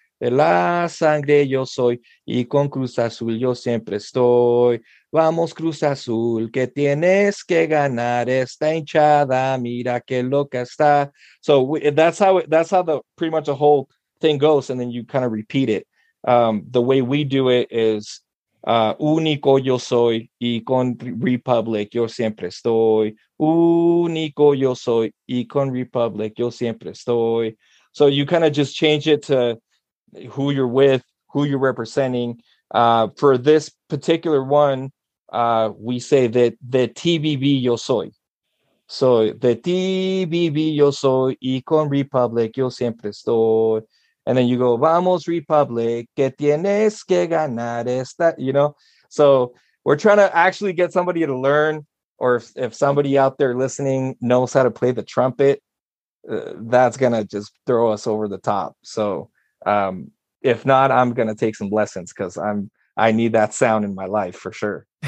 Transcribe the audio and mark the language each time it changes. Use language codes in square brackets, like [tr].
[es] De la sangre yo soy y con Cruz Azul yo siempre estoy. Vamos Cruz Azul, que tienes que ganar esta hinchada, mira que loca está. [en] So that's how the pretty much the whole thing goes, and then you kind of repeat it. The way we do it is [es] único yo soy y con Republic yo siempre estoy. Único yo soy y con Republic yo siempre estoy. [en] So you kind of just change it to who you're with, who you're representing. For this particular one, we say that the TBB [es] yo soy. So the TBB yo soy y con Republic yo siempre estoy. [en] And then you go, [es] vamos Republic, que tienes que ganar esta, [en] you know? So we're trying to actually get somebody to learn, or if somebody out there listening knows how to play the trumpet, that's going to just throw us over the top. So if not, I'm going to take some lessons because I need that sound in my life for sure.